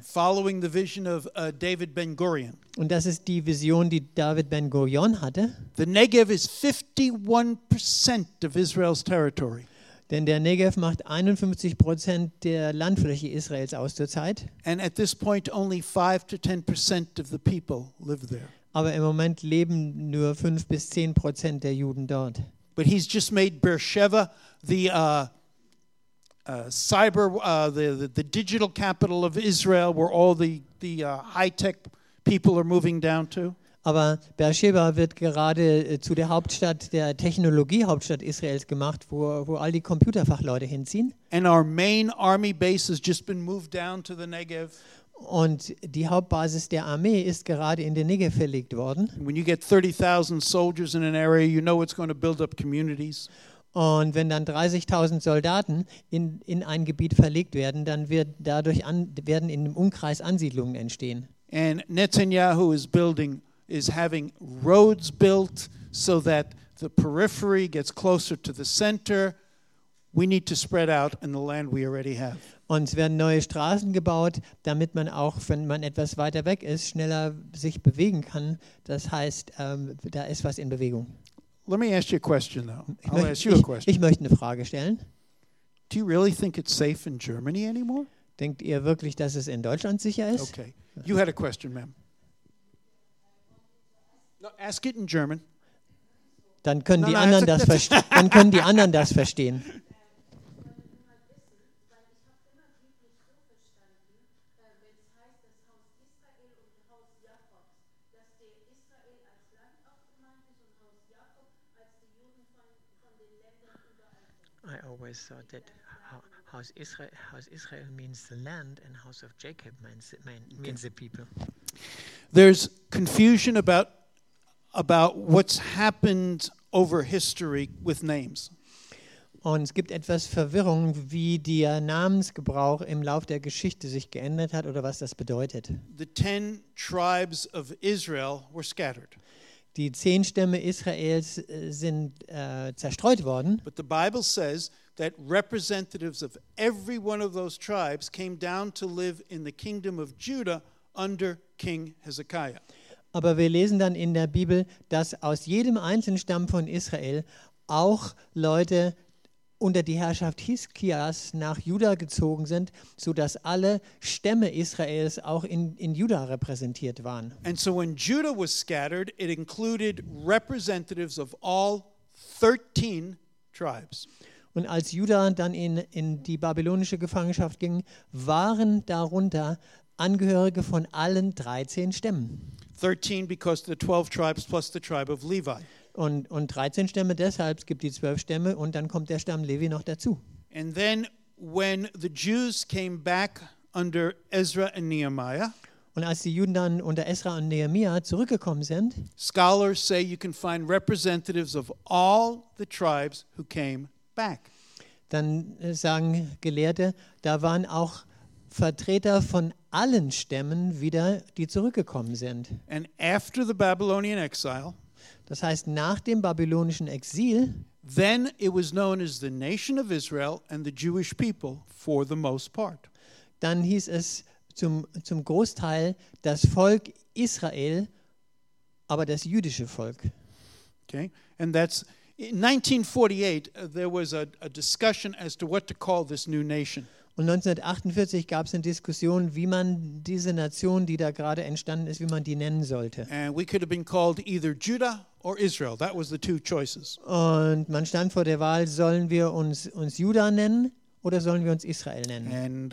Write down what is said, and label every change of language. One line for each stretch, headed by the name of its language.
English: Following the vision of David Ben-Gurion.
German: Und das ist die Vision, die David Ben-Gurion hatte.
English: The Negev is 51% of Israel's territory.
German: Denn der Negev macht 51% der Landfläche Israels aus zur Zeit.
English: And at this point only 5 to 10% of the people live there.
German: Aber im Moment leben nur 5 bis 10% der Juden dort.
English: But he's just made Beersheba the digital capital of Israel, where all the high-tech people are moving down to.
German: Aber Beersheba wird gerade zu der Hauptstadt, der Technologiehauptstadt Israels gemacht, wo all die Computerfachleute hinziehen.
English: And our main army base has just been moved down to the Negev.
German: Und die Hauptbasis der Armee ist gerade in den Negev verlegt worden.
English: When you get 30,000 soldiers in an area, you know it's going to build up communities.
German: Und wenn dann 30,000 Soldaten in ein Gebiet verlegt werden, dann wird dadurch werden in dem Umkreis Ansiedlungen entstehen.
English: And Netanyahu is having roads built so that the periphery gets closer to the center. We need to spread out in the land we already have.
German: Und es werden neue Straßen gebaut, damit man auch, wenn man etwas weiter weg ist, schneller sich bewegen kann. Das heißt, da ist was in Bewegung.
English: Let me ask you a question, though. I'll ask you a question.
German: Ich möchte eine Frage stellen.
English: Do you really think it's safe in Germany anymore?
German: Denkt ihr wirklich, dass es in Deutschland sicher ist?
English: Okay. You had a question, ma'am. No, ask it in German.
German: Dann können die anderen das verstehen.
English: Thought that house Israel means the land and house of Jacob means the people. There's confusion about what's happened over history with names.
German: Und es gibt etwas Verwirrung, wie der Namensgebrauch im Lauf der Geschichte sich geändert hat oder was das bedeutet.
English: The 10 tribes of Israel were scattered.
German: Die 10 Stämme Israels sind zerstreut worden.
English: But the Bible says that representatives of every one of those tribes came down to live in the kingdom of Judah under King Hezekiah.
German: Aber wir lesen dann in der Bibel, dass aus jedem einzelnen Stamm von Israel auch Leute unter die Herrschaft Hiskias nach Juda gezogen sind, so dass alle Stämme Israels auch in Juda repräsentiert waren.
English: And so when Judah was scattered, it included representatives of all 13 tribes.
German: Und als Juda dann in die babylonische Gefangenschaft ging, waren darunter Angehörige von allen 13 Stämmen.
English: 13 because the 12 tribes plus the tribe of Levi.
German: Und 13 Stämme deshalb, es gibt die 12 Stämme und dann kommt der Stamm Levi noch dazu.
English: And then when the Jews came back under Ezra and Nehemiah,
German: und als die Juden dann unter Ezra und Nehemiah zurückgekommen sind,
English: scholars say you can find representatives of all the tribes who came back.
German: Dann sagen Gelehrte, da waren auch Vertreter von allen Stämmen wieder, die zurückgekommen sind.
English: And after the Babylonian exile,
German: das heißt nach dem babylonischen Exil,
English: then it was known as the nation of Israel and the Jewish people for the most part.
German: Dann hieß es zum Großteil das Volk Israel, aber das jüdische Volk.
English: Okay, and that's in 1948 there was a discussion as to what to call this new nation.
German: Und 1948 gab es eine Diskussion, wie man diese Nation, die da gerade entstanden ist, wie man die nennen sollte.
English: And we could have been called either Judah or Israel. That was the two choices.
German: Und man stand vor der Wahl, sollen wir uns Juda nennen oder sollen wir uns Israel nennen?